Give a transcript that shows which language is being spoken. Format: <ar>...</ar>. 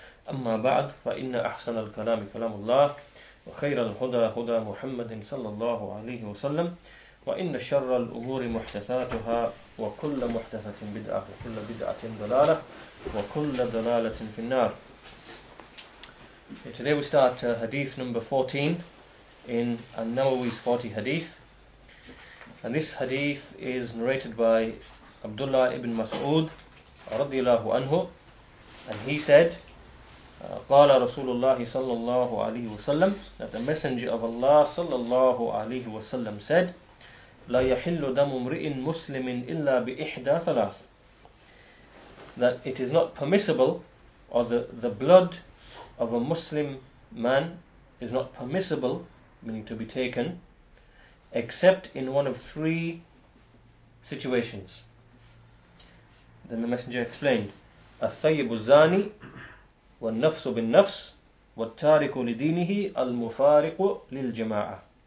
<ar>أما بعد فإن أحسن الكلام كلام الله وخير الهدى هدى محمد صلى الله عليه وسلم وإن شر الأمور محدثاتها وكل محدثة بدعة وكل بدعة ضلالة وكل ضلالة في النار.</ar> <en>Okay, today we start hadith number 14 in An-Nawawi's 40 hadith. And this hadith is narrated by Abdullah ibn Mas'ud radiyallahu anhu. And he said,</en> <ar>قال رسول الله صلى الله عليه وسلم,</ar> <en>that the messenger of Allah صلى الله عليه وسلم said,</en> <ar>لا يحل دم امرئ مسلم إلا بإحدى ثلاث,</ar> <en>that it is not permissible, or the blood of a Muslim man is not permissible, meaning to be taken, except in one of three situations. Then the messenger explained,</en> <ar>الثيب الزاني والنفس بالنفس والتارك لدينه المفارق للجماعة.</ar>